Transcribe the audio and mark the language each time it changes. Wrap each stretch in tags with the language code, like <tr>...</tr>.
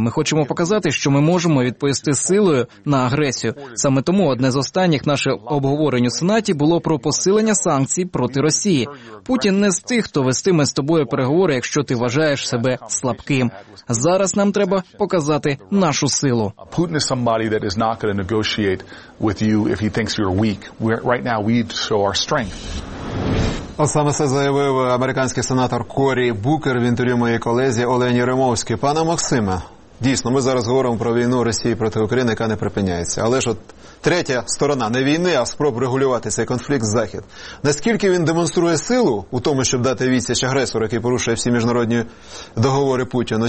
<uk>Ми хочемо показати, що ми можемо відповісти силою на агресію. Саме тому одне з останніх наших обговорень у Сенаті було про посилення санкцій проти Росії. Путін не з тих, хто вестиме з тобою переговори, якщо ти вважаєш себе слабким. Зараз нам треба показати нашу силу.</uk> <en>Путін – somebody that is not going to negotiate with you if he thinks you're weak. Right now we show our strength.</en> <uk>Ось саме це заявив американський сенатор Корі Букер в інтерв'ю моїй колезі Олені Римовській. Пане Максиме, дійсно, ми зараз говоримо про війну Росії проти України, яка не припиняється. Але ж от третя сторона не війни, а спроб регулювати цей конфлікт з Захід. Наскільки він демонструє силу у тому, щоб дати відсіч агресору, який порушує всі міжнародні договори Путіну?</uk>